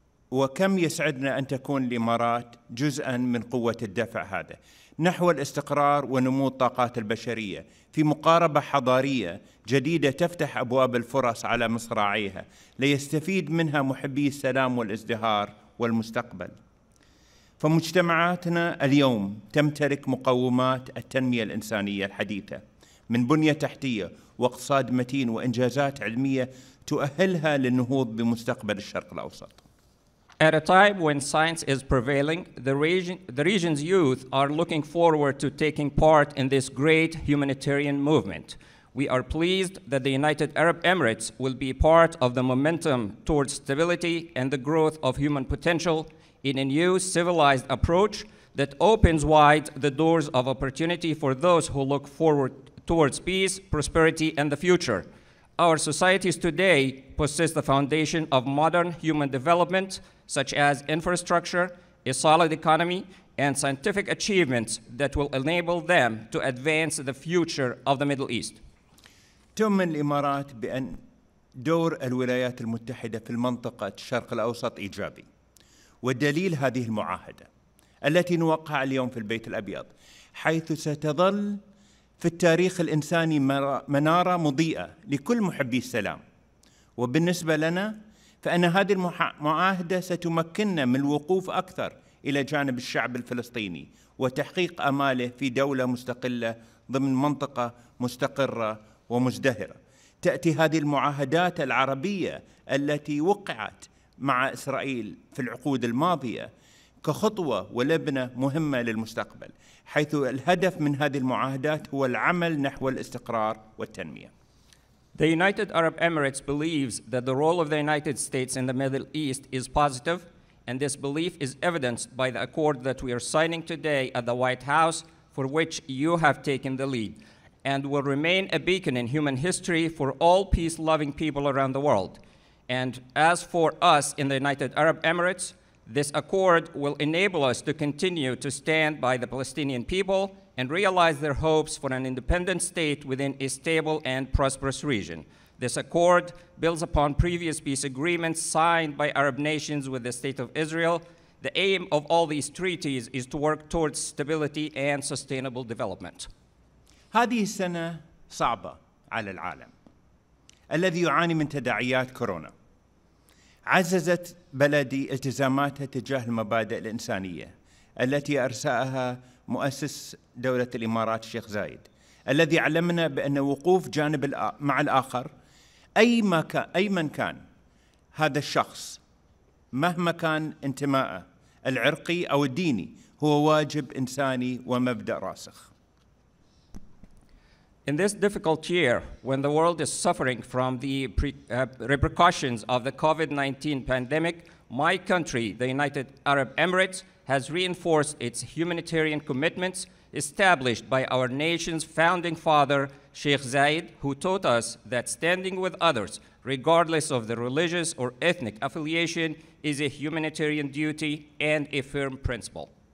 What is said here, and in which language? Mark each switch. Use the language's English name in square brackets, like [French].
[Arabic] وكم يسعدنا أن تكون الإمارات جزءاً من قوة الدفع هذا نحو الاستقرار ونمو الطاقات البشرية في مقاربة حضارية جديدة تفتح أبواب الفرص على مصراعيها ليستفيد منها محبي السلام والازدهار والمستقبل. فمجتمعاتنا اليوم تمتلك مقومات التنمية الإنسانية الحديثة من بنية تحتية واقتصاد متين وإنجازات علمية تؤهلها للنهوض بمستقبل الشرق الأوسط. [English] At a time when science is prevailing, the region's youth are looking forward to taking part in this great humanitarian movement. We are pleased that the United Arab Emirates will be part of the momentum towards stability and the growth of human potential in a new civilized approach that opens wide the doors of opportunity for those who look forward towards peace, prosperity, and the future. Our societies today possess the foundation of modern human development, such as infrastructure, a solid economy, and scientific achievements that will enable them to advance the future of the Middle East. [Arabic] تؤمن الإمارات بأن دور الولايات المتحدة في المنطقة الشرق الأوسط إيجابي، والدليل هذه المعاهدة التي نوقع اليوم في البيت الأبيض، حيث ستظل في التاريخ الإنساني منارة مضيئة لكل محبي السلام. وبالنسبة لنا فأن هذه المعاهدة ستمكننا من الوقوف أكثر إلى جانب الشعب الفلسطيني وتحقيق أماله في دولة مستقلة ضمن منطقة مستقرة ومزدهرة. تأتي هذه المعاهدات العربية التي وقعت مع إسرائيل في العقود الماضية كخطوة ولبنة مهمة للمستقبل، حيث الهدف من هذه المعاهدات هو العمل نحو الاستقرار والتنمية. [English] The United Arab Emirates believes that the role of the United States in the Middle East is positive, and this belief is evidenced by the accord that we are signing today at the White House, for which you have taken the lead, and will remain a beacon in human history for all peace-loving people around the world. And as for us in the United Arab Emirates, this accord will enable us to continue to stand by the Palestinian people and realize their hopes for an independent state within a stable and prosperous region. This accord builds upon previous peace agreements signed by Arab nations with the State of Israel. The aim of all these treaties is to work towards stability and sustainable development. [Arabic] هذه السنة صعبة على العالم الذي يعاني من تداعيات كورونا. عززت بلدي التزاماتها تجاه المبادئ الإنسانية التي أرساها مؤسس دولة الإمارات الشيخ زايد، الذي علمنا بأن وقوف جانب مع الآخر أي من كان هذا الشخص، مهما كان انتماءه العرقي أو الديني، هو واجب إنساني ومبدأ راسخ. [English] In this difficult year, when the world is suffering from the repercussions of the COVID-19 pandemic, my country, the United Arab Emirates, has reinforced its humanitarian commitments established by our nation's founding father, Sheikh Zayed, who taught us that standing with others, regardless of their religious or ethnic affiliation, is a humanitarian duty and a firm principle.